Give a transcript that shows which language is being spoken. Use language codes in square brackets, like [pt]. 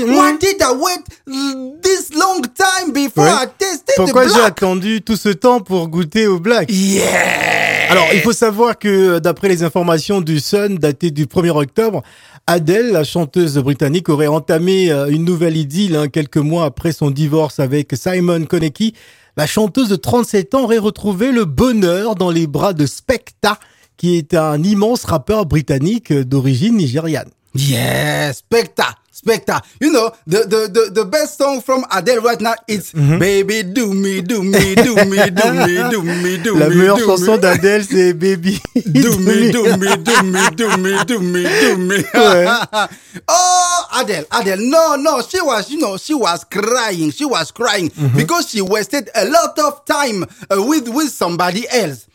[en] Why did I wait this long time before I tasted the black? [fr] Pourquoi j'ai attendu tout ce temps pour goûter au black? Yeah. Alors, il faut savoir que d'après les informations du Sun datées du 1er octobre, Adele, la chanteuse britannique, aurait entamé une nouvelle idylle quelques mois après son divorce avec Simon Konecki. La chanteuse de 37 ans aurait retrouvé le bonheur dans les bras de Spekta, qui est un immense rappeur britannique d'origine nigériane. [en] Yeah, Spekta. Spekta, you know, the best song from Adele right now is Baby Do Me Do Me Do Me Do Me Do Me Do Me. [fr] La meilleure chanson d'Adele, c'est Baby [en] Do Me Do Me Do Me Do Me Do Me Do Me. Oh, Adele, no, she was crying because she wasted a lot of time with somebody else.